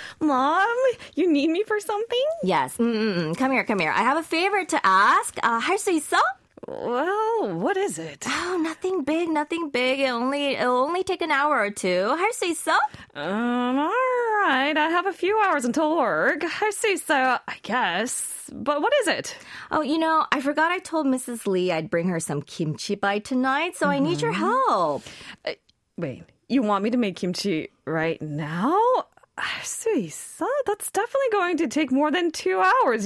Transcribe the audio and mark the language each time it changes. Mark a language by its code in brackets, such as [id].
[en] Mom, you need me for something? Yes. Mm-mm-mm. Come here, come here. I have a favor to ask. [ko] 할 수 있어? [en] Well, what is it? Oh, nothing big, nothing big. It'll only take an hour or two. [ko] 할 수 있어? [en] All right. I have a few hours until work. [ko] 할 수 있어, [en] I guess. But what is it? Oh, you know, I forgot I told Mrs. Lee I'd bring her some kimchi by tonight, so I need your help. Wait, you want me to make kimchi right now? [ko] 할 수 있어? [en] That's definitely going to take more than 2 hours.